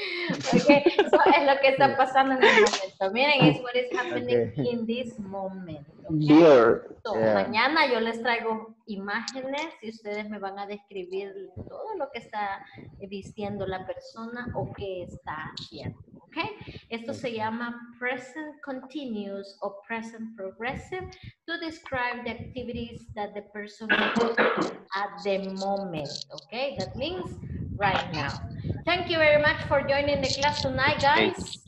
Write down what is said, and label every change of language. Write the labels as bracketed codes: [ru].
[es] Okay, so es lo que está pasando en el momento. Miren, [en] it's what is happening in this moment. Okay? Beer. So, yeah. [es] Mañana yo les traigo imágenes y ustedes me van a describir todo lo que está vistiendo la persona o qué está haciendo. [en] Okay? [es] Esto se llama [en] present continuous o present progressive to describe the activities that the person is doing at the moment. Okay? That means right now. Thank you very much for joining the class tonight, guys.